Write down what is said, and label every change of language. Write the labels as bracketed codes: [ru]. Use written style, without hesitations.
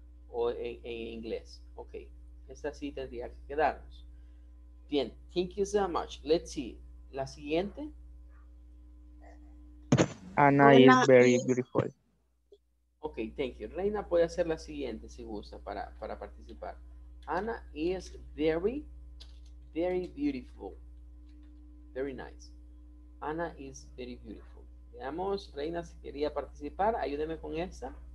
[es] O en inglés. Ok. Esta sí tendría que quedarnos. Bien. [en] Thank you so much. Let's see. [es] La siguiente. [en] Ana is very beautiful. Ok. Thank you. [es] Reina puede hacer la siguiente si gusta para participar. [en] Ana is very, very beautiful. Very nice. Ana is very beautiful. [es] Veamos. Reina, si quería participar, ayúdeme con esta.